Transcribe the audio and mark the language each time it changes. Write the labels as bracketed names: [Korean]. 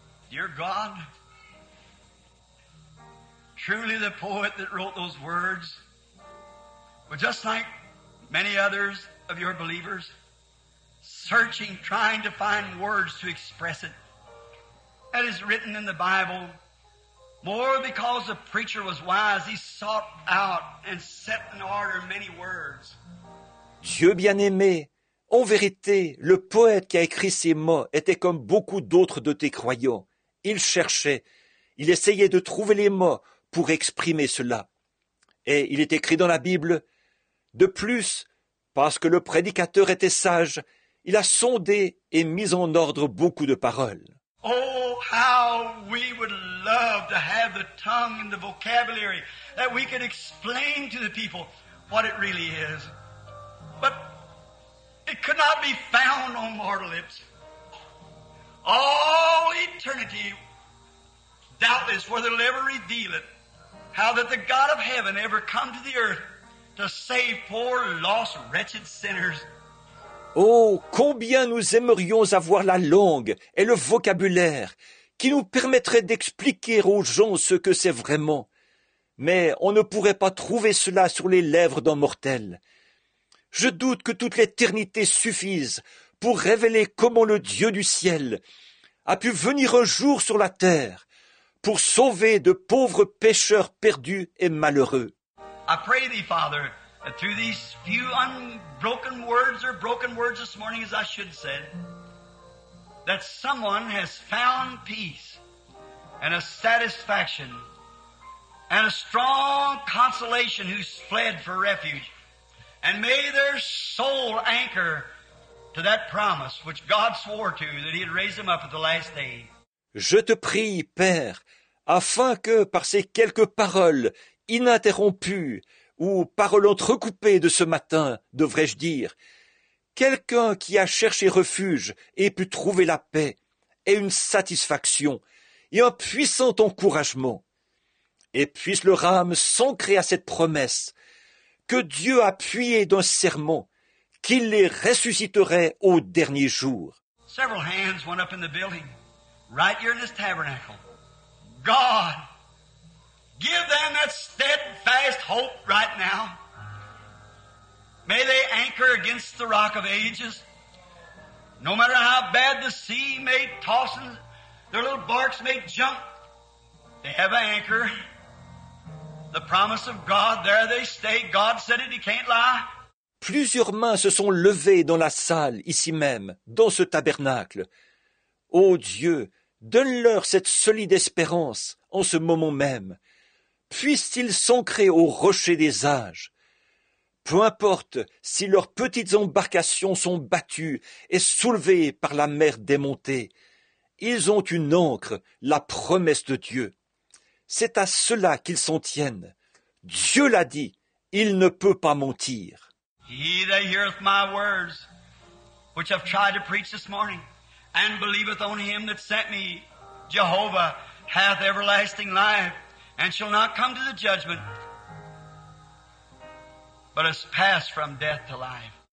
[English] Dear God, truly the poet that wrote those words, but just like many others of your believers, searching, trying to find words to express it, that is written in the Bible. More because the preacher was wise, he sought out and set in order many words. [French] Dieu bien-aimé, en vérité, le poète qui a écrit ces mots était comme beaucoup d'autres de tes croyants. Il cherchait, il essayait de trouver les mots pour exprimer cela. Et il est écrit dans la Bible, « De plus, parce que le prédicateur était sage, il a sondé et mis en ordre beaucoup de paroles. » [English] Oh, how we would love to have the tongue and the vocabulary that we could explain to the people what it really is. But it could not be found on mortal lips. All eternity, doubtless, whether it'll ever reveal it, how that the God of heaven ever come to the earth to save poor, lost, wretched sinners. [French] Oh, combien nous aimerions avoir la langue et le vocabulaire qui nous permettraient d'expliquer aux gens ce que c'est vraiment. Mais on ne pourrait pas trouver cela sur les lèvres d'un mortel. Je doute que toute l'éternité suffise pour révéler comment le Dieu du ciel a pu venir un jour sur la terre pour sauver de pauvres pécheurs perdus et malheureux. [English] I pray thee, Father. Through these few unbroken words or broken words this morning, as I should have said, that someone has found peace and a satisfaction and a strong consolation who's fled for refuge. And may their soul anchor to that promise which God swore to that he'd raise them up at the last day. [French] Je te prie, Père, afin que par ces quelques paroles ininterrompues ou paroles entrecoupées de ce matin, devrais-je dire, quelqu'un qui a cherché refuge et pu trouver la paix et une satisfaction et un puissant encouragement. Et puisse leur âme s'ancrer à cette promesse que Dieu a appuyé d'un serment qu'il les ressusciterait au dernier jour. [English] Several hands went up in the building, right here in this tabernacle. God! Give them that steadfast hope right now. May they anchor against the rock of ages. No matter how bad the sea may toss and their little barks may jump, they have an anchor. The promise of God, there they stay. God said it, he can't lie. [French] Plusieurs mains se sont levées dans la salle, ici même, dans ce tabernacle. Ô Dieu, donne-leur cette solide espérance en ce moment même. Puissent-ils s'ancrer au rocher des âges. Peu importe si leurs petites embarcations sont battues et soulevées par la mer démontée, ils ont une ancre, la promesse de Dieu. C'est à cela qu'ils s'en tiennent. Dieu l'a dit, il ne peut pas mentir. [English] He that heareth my words, which I've tried to preach this morning, and believeth on him that sent me, Jehovah, hath everlasting life. and shall not come to the judgment, but has passed from death to life.